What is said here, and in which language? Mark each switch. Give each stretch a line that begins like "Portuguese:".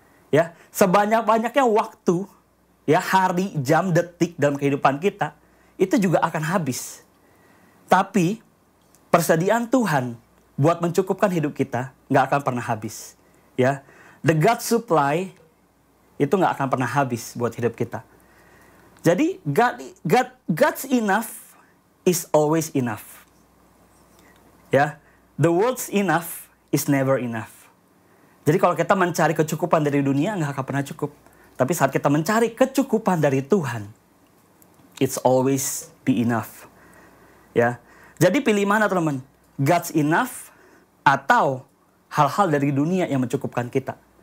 Indonesian: Ya, sebanyak-banyaknya waktu, ya hari, jam, detik dalam kehidupan kita itu juga akan habis. Tapi persediaan Tuhan buat mencukupkan hidup kita enggak akan pernah habis, ya. The God supply itu enggak akan pernah habis buat hidup kita.
English: Jadi God's enough is always enough. Ya, the world's enough is never enough.
Indonesian: Jadi kalau kita mencari kecukupan dari dunia enggak akan pernah cukup. Tapi saat kita mencari kecukupan dari Tuhan,
English: it's always be enough.
Indonesian: Ya. Jadi pilih mana, teman-teman? God's enough atau hal-hal dari dunia yang mencukupkan kita?